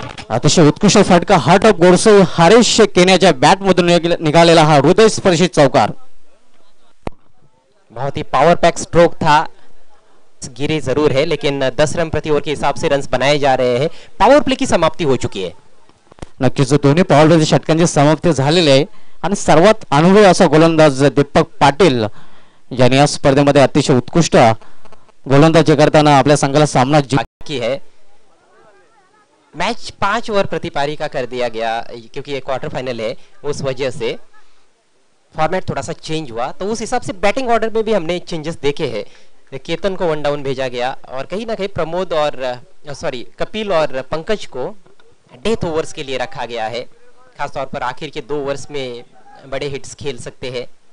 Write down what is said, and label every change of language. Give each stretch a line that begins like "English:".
Marathi: अतिशय उत्कृष्ट फटका हार्ट ऑफ गोरसई हरेश केनेच्या बॅट मधून निघालेला हा हृदय स्पर्शी चौकार,
Hindi: बहुत ही पावर पैक स्ट्रोक था, गिरे जरूर है लेकिन 10 रन प्रति ओवर के हिसाब से रन बनाए जा रहे हैं, पावर प्ले की समाप्ति हो चुकी है।
Marathi: नक्कीच दोन्ही पावर प्ले षटकांची समाप्ती झालेली आहे आणि सर्वात अनुभवी असा गोलंदाज दीपक पाटील यांनी या स्पर्धेमध्ये अतिशय उत्कृष्ट गोलंदाजी करताना आपल्या संघाला सामना जिंकला है।
Hindi: मैच 5 ओवर प्रति पारी का कर दिया गया क्योंकि ये क्वार्टर फाइनल है, उस वजह से फॉर्मेट थोड़ा सा चेंज हुआ तो उस हिसाब से बैटिंग ऑर्डर में भी हमने चेंजेस देखे हैं। केतन को वन डाउन भेजा गया और कहीं ना कहीं प्रमोद और सॉरी कपिल और पंकज को डेथ ओवर्स के लिए रखा गया है, खासतौर पर आखिर के 2 ओवर्स में बड़े हिट्स खेल सकते हैं।